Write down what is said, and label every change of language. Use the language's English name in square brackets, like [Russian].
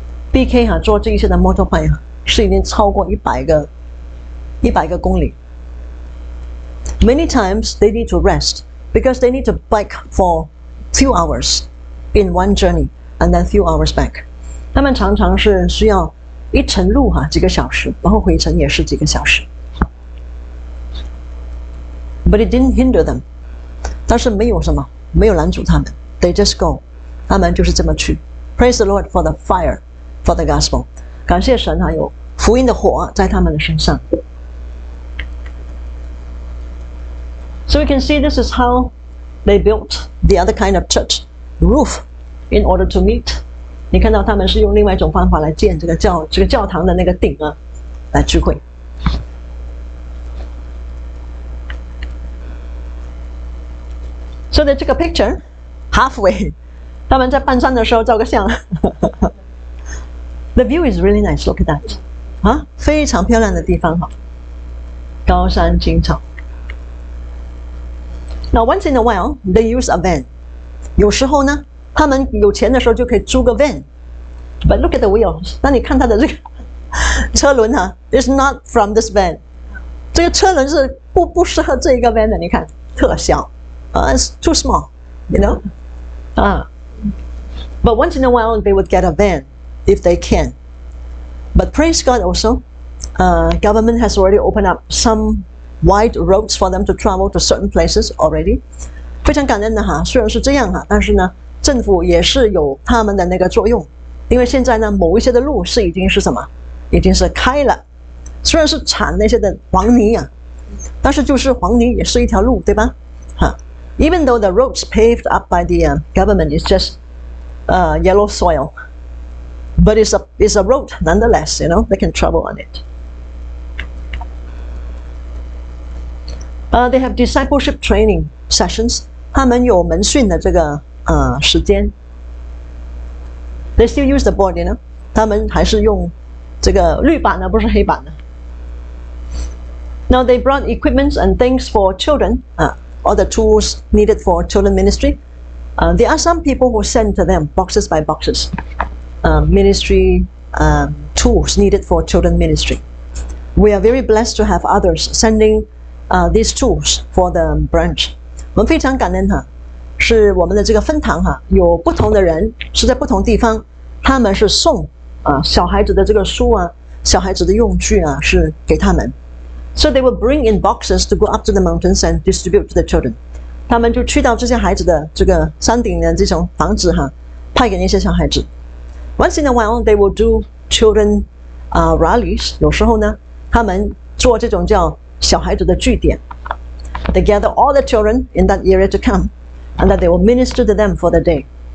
[Chinese] BK 坐这一些的 motorbike 是已经超过100个公里。 [English] Many times they need to rest. because they need to bike for few hours in one journey and then few hours back. [Chinese] 他们常常是需要一程路哈几个小时，然后回程也是几个小时。 [English] But it didn't hinder them. [Chinese] 但是没有什么，没有拦阻他们。 [English] They just go. [Chinese] 他们就是这么去。 [English] Praise the Lord for the fire, for the gospel. [Chinese] 感谢神哈，有福音的火在他们的身上。 [English] So we can see this is how they built the other kind of church roof in order to meet. [Chinese] 你看到他们是用另外一种方法来建这个教堂的那个顶啊，来聚会。 [English] So they took a picture halfway. [Chinese] 他们在半山的时候照个相。 [English] The view is really nice. Look at that. [Chinese] 啊，非常漂亮的地方哈，高山青草。 [English] Now once in a while, they use a van. [Chinese] 有时候呢，他们有钱的时候就可以租个 van. [English] But look at the wheels. [Chinese] 那你看他的这个车轮哈 ， [English] is not from this van. [Chinese] 这个车轮是不适合这一个 van 的。你看，特小， [English] it's too small. You know, But once in a while, they would get a van if they can. But praise God also, government has already opened up some. Wide roads for them to travel to certain places already. [Chinese] 非常感恩的哈，虽然是这样哈，但是呢，政府也是有他们的那个作用，因为现在呢，某一些的路是已经是什么，已经是开了，虽然是铲那些的黄泥啊，但是就是黄泥也是一条路，对吧？哈 [English] ，Even though the roads paved up by the government is just yellow soil, but it's a road nonetheless. You know, they can travel on it. They have discipleship training sessions. [Chinese] 他们有门训的这个时间。 [English] They still use the board, you know. [Chinese] 他们还是用这个绿板呢，不是黑板呢。 [English] Now they brought equipment and things for children. All the tools needed for children ministry. There are some people who send to them boxes by boxes. Ministry tools needed for children ministry. We are very blessed to have others sending. These tools for the branch. [Chinese] 我们非常感恩哈，是我们的这个分堂哈，有不同的人是在不同地方，他们是送小孩子的这个书啊，小孩子的用具啊，是给他们。 [English] So they will bring in boxes to go up to the mountains and distribute to the children. [Chinese] 他们就去到这些孩子的这个山顶的这种房子哈，派给那些小孩子。 [English] Once in a while, they will do children rallies. [Chinese] 有时候呢，他们做这种叫小孩子的据点。 [English] They gather all the children in that area to come, and that they will minister to them for the day.